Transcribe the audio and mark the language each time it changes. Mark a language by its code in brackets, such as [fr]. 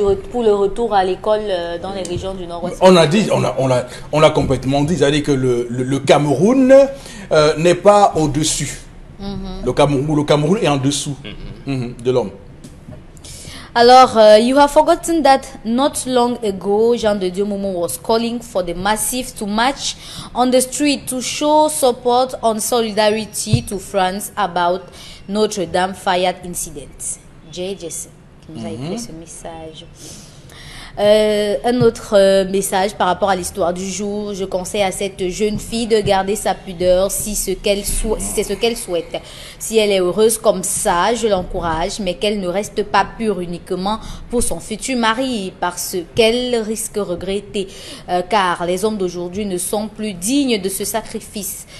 [fr] pour le retour à l'école dans les régions du Nord-Ouest. On a dit, on l'a complètement dit, c'est-à-dire que le Cameroun n'est pas au-dessus. Le Cameroun est en dessous de l'homme. [en] Alors, you have forgotten that not long ago, Jean de Dieu Momo was calling for the massive to march on the street to show support and solidarity to France about Notre Dame fire incident. [fr] JJC, qui nous a écrit ce message. Un autre message par rapport à l'histoire du jour. Je conseille à cette jeune fille de garder sa pudeur si c'est ce qu'elle souhaite. Si elle est heureuse comme ça, je l'encourage, mais qu'elle ne reste pas pure uniquement pour son futur mari, parce qu'elle risque de regretter, car les hommes d'aujourd'hui ne sont plus dignes de ce sacrifice.